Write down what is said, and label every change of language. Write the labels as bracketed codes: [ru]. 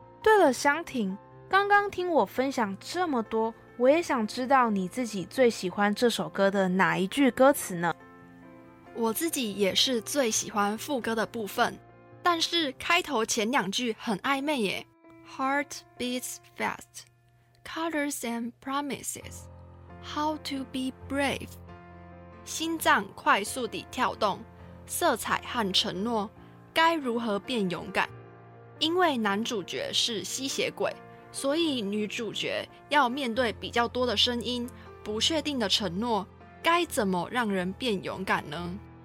[zh] 对了，香婷，刚刚听我分享这么多，我也想知道你自己最喜欢这首歌的哪一句歌词呢？我自己也是最喜欢副歌的部分，但是开头前两句很暧昧耶。 [en] Heart beats fast, colors and promises, how to be brave. [zh] 心脏快速地跳动，色彩和承诺，该如何变勇敢？因为男主角是吸血鬼，所以女主角要面对比较多的声音，不确定的承诺，该怎么让人变勇敢呢？